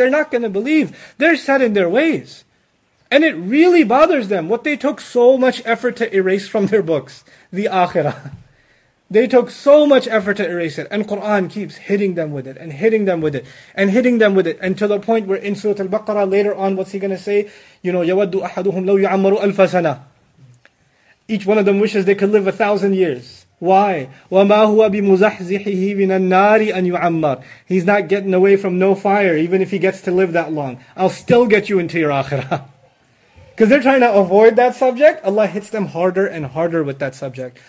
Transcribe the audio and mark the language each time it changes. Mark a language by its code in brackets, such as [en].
[en] They're not going to believe. They're set in their ways. And it really bothers them what they took so much effort to erase from their books. The Akhirah. They took so much effort to erase it. And Quran keeps hitting them with it. And hitting them with it. And hitting them with it. And to the point where in Surah Al-Baqarah later on, what's he going to say? You know, [ar] يَوَدُّ أَحَدُهُمْ لَوْ يُعَمَّرُ أَلْفَ سَنَةً. [en] Each one of them wishes they could live 1,000 years. Why? [ar] وَمَا هُوَ بِمُزَحْزِحِهِ مِنَ النَّارِ أَنْ يُعَمَّرْ. [en] He's not getting away from no fire, even if he gets to live that long. I'll still get you into your akhirah. Because they're trying to avoid that subject, Allah hits them harder and harder with that subject.